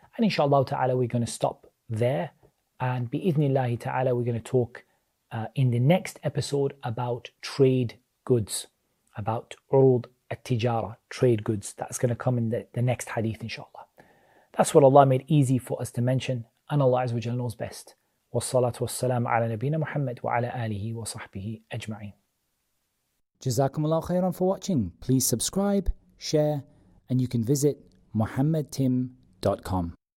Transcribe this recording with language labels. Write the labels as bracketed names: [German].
[English] And inshallah ta'ala, we're going to stop there. And bi-idhnillahi ta'ala, we're going to talk in the next episode about trade goods, about urud at-tijara, trade goods. That's going to come in the next hadith, inshallah. That's what Allah made easy for us to mention. And Allah Azza wa Jalla knows best. [Arabic] والصلاه والسلام على نبينا محمد وعلى اله وصحبه اجمعين جزاكم الله خيرا [English] for watching. Please subscribe, share, and you can visit muhammadtim.com.